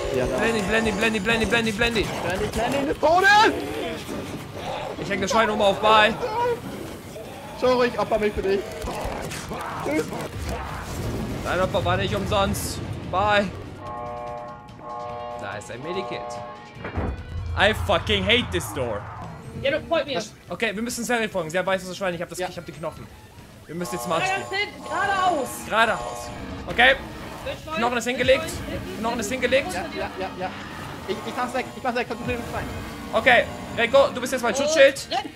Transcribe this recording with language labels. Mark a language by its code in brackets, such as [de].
[de] Blendi! Blendi! Ich häng das Schwein nochmal auf, bye! Sorry, ich opfer mich für dich. Dein Opfer war nicht umsonst. Bye! Da ist ein Medikit. [en] I fucking hate this door! [de] Ja, du freut mich. Okay, wir müssen Sally folgen. Sehr weißes Schwein. Ich hab die Knochen. Wir müssen jetzt marschieren. Geradeaus. Okay. Schwein, Knochen ist hingelegt. Ich mach's weg. Okay. Rekko, du bist jetzt mein Schutzschild.